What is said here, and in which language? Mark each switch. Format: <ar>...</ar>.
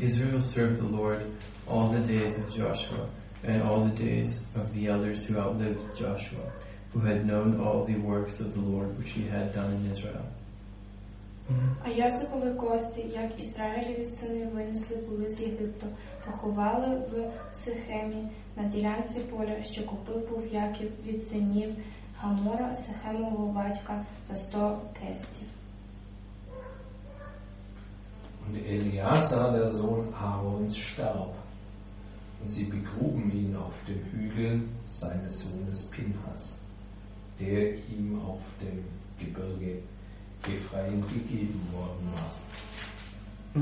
<en>Israel served the Lord all the days of Joshua and all the days of the elders who outlived Joshua, who had known all the works of the Lord which he had done in Israel.</en> <uk>А Йосипові кості, як Ізраїлеві сини винесли були з Єгипту, поховали в Сихемі на ділянці поля, що купив був Яків від синів Гамора, Сихемового батька, за 100 кестів.</uk> <de>Und Eliasa, der Sohn Aarons, starb, und sie begruben ihn auf dem Hügel seines Sohnes Pinhas, der ihm auf dem Gebirge Ephraim gegeben worden war.</de>